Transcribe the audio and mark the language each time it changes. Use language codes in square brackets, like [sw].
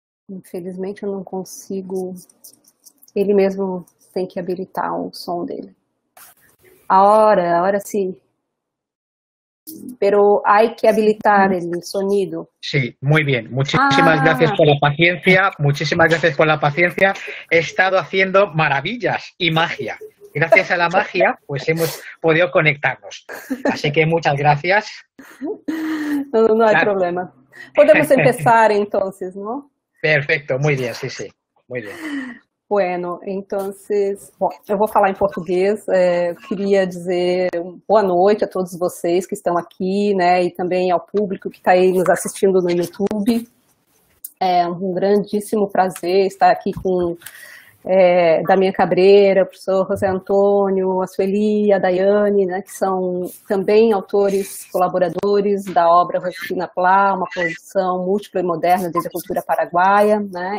[pt] Infelizmente, eu não consigo. Ele mesmo tem que habilitar o som dele. [es] Ahora sí. Pero hay que habilitar el sonido. Sí, muy bien. Muchísimas gracias Ah. por la paciencia. Muchísimas gracias por la paciencia. He estado haciendo maravillas y magia. Gracias a la magia, pues hemos podido conectarnos. Así que muchas gracias. No, no hay problema. Podemos empezar entonces, ¿no? Perfecto, muy bien, sí. Muy bien. Bueno, entonces, [pt] bom, eu vou falar em português. Eu queria dizer boa noite a todos vocês que estão aqui, né, e também ao público que está aí nos assistindo no YouTube. É um grandíssimo prazer estar aqui com Damian Cabreira, o professor José Antônio, a Sueli, a Daiane, né, que são também autores, colaboradores da obra Rosquina Plá, uma produção múltipla e moderna desde a cultura paraguaia, né.